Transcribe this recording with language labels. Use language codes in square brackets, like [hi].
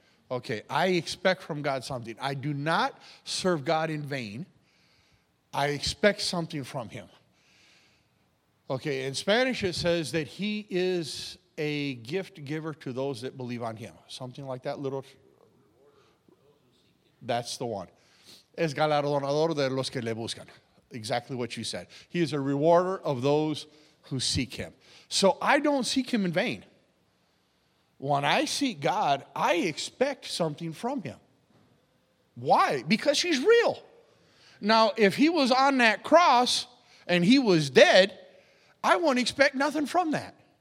[en] Okay, I expect from God something. I do not serve God in vain. I expect something from him. Okay, in Spanish it says that he is a gift giver to those that believe on him. Something like that, little. That's the one. [es] Es galardonador de los que le buscan. [en] Exactly what you said. He is a rewarder of those who seek him. So I don't seek him in vain. When I seek God, I expect something from him. Why? Because he's real. Now, if he was on that cross and he was dead, I won't expect nothing from that.